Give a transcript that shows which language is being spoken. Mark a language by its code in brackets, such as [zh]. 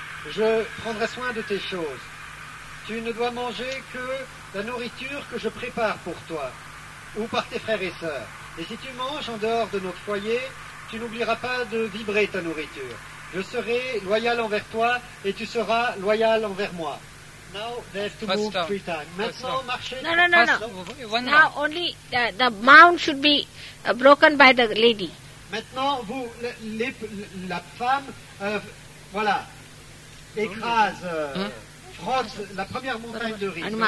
[fr] Je prendrai soin de tes choses. Tu ne dois manger que la nourriture que je prépare pour toi, ou par tes frères et sœurs. Et si tu manges en dehors de notre foyer, tu n'oublieras pas de vibrer ta nourriture. Je serai loyal envers toi et tu seras loyal envers moi. [en] Now they have to first move round. Three times. [fr] Maintenant, marchez. [en] No. One now round. Only the mound should be broken by the lady. [fr] Maintenant, vous, la femme, voilà, écrase, frotte la première montagne de riz.